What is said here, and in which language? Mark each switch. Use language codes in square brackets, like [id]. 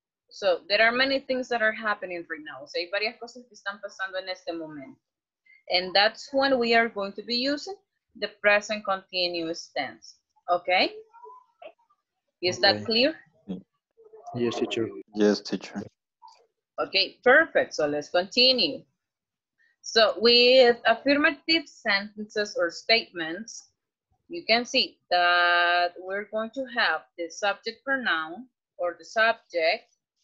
[en] So there are many things that are happening right now. [es] So hay varias cosas que están pasando en este momento. [en] And that's when we are going to be using the present continuous tense. Okay? Is that clear? Yes, teacher. Yes, teacher. Okay, perfect. So let's continue. So with affirmative sentences or statements, you can see that we're going to have the subject pronoun or the subject.